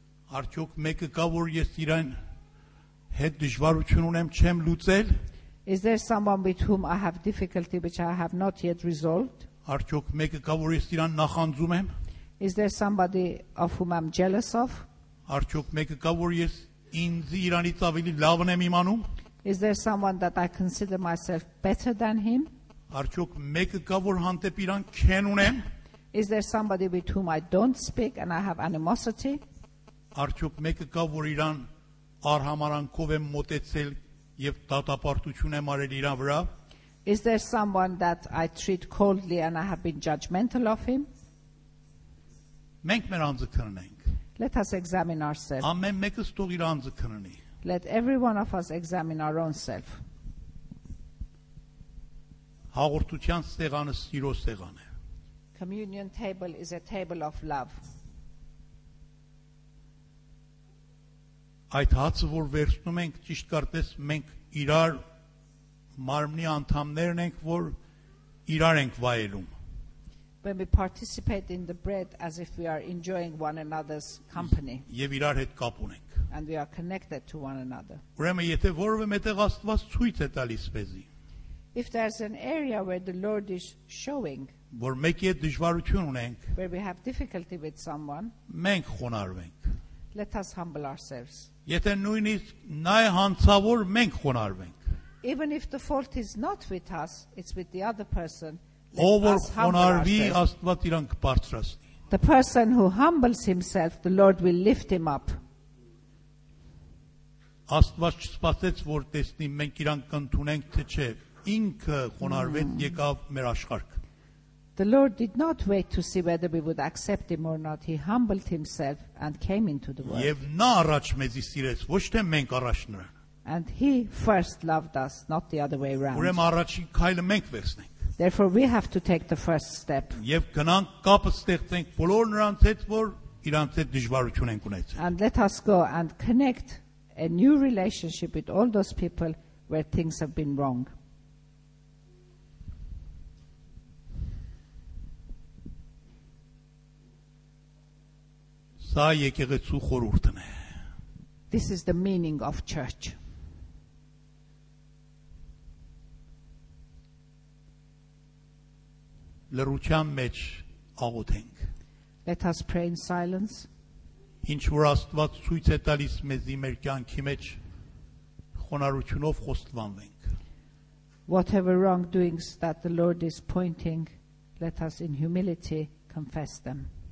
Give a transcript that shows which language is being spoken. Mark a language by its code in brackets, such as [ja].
[hy] Արդյոք մեկը կա, որ ես իրան հետ դժվարություն ունեմ, չեմ լուծել? [en] Is there someone with whom I have difficulty which I have not yet resolved? [hy] Արդյոք մեկը կա, որ ես իրան նախանձում եմ? [en] Is there somebody of whom I'm jealous of? [hy] Արդյոք մեկը կա, որ ես ինձ իրանից ավելի լավն եմ իմանում? [en] Is there someone that I consider myself better than him? [hy] Արդյոք մեկը կա, որ հանդեպ իրան քեն ունեմ? [en] Is there somebody with whom I don't speak and I have animosity? [hy] Արդյոք մեկը կա, որ իրան արհամարանքով եմ մոտեցել եւ դատապարտություն եմ արել իրան վրա? [en] Is there someone that I treat coldly and I have been judgmental of him? [hy] Մենք մեր անձը քննենք. [en] Let us examine ourselves. [hy] Ամեն մեկը ստող իր անձը քննի. [en] Let every one of us examine our own self. [hy] Հաղորդության սեղանը սիրո սեղան է. [en] Communion table is a table of love. [hy] Այդ հացը, որ վերցնում ենք, ճիշտ կարծես մենք իրար մարմնի անդամներն ենք, որ իրար ենք վայելում. [en] When we participate in the bread as if we are enjoying one another's company. [hy] Եվ իրար հետ կապ ունենք. [en] And we are connected to one another. [hy] Ուրեմն, եթե որևէ մեկտեղ Աստված ցույց է տալիս մեզի. [en] If there's an area where the Lord is showing. [hy] Որ մեկի հետ դժվարություն ունենք. [en] Where we have difficulty with someone. [hy] Մենք խոնարհվենք. [en] Let us humble ourselves. [hy] Եթե նույնիսկ նա է հանցավոր, մենք խոնարհվենք. [en] Even if the fault is not with us, it's with the other person. [hy] Ով խոնարհվի, Աստված իրան կբարձրացնի. [en] The person who humbles himself, the Lord will lift him up. [hy] Աստված չսպասեց, որ տեսնի մենք իրան կընդունենք թե չէ. Ինքը խոնարհվեց, եկավ մեր աշխարհ. [en] The Lord did not wait to see whether we would accept him or not. He humbled himself and came into the world. [hy] Եվ նա առաջ մեզի սիրեց, ոչ թե մենք առաջ նրան. [en] And he first loved us, not the other way around. [hy] Ուրեմն առաջին քայլը մենք վերցնենք. [en] Therefore we have to take the first step. [hy] Եվ գնանք կապը ստեղծենք բոլոր նրանց հետ, որ իրանց հետ դժվարություն են ունեցել. [en] And let us go and connect a new relationship with all those people where things have been wrong. [hy] Սա եկեղեցու խորհուրդն է. [en] This is the meaning of church. [hy] Լրության մեջ աղոթենք. [en] Let us pray in silence. [hy] Ինչ որ Աստված ցույց է տալիս մեզ մեր կյանքի մեջ խոնարհությունով խոստվանենք. [en] Whatever wrongdoings that the Lord is pointing, let us in humility confess them.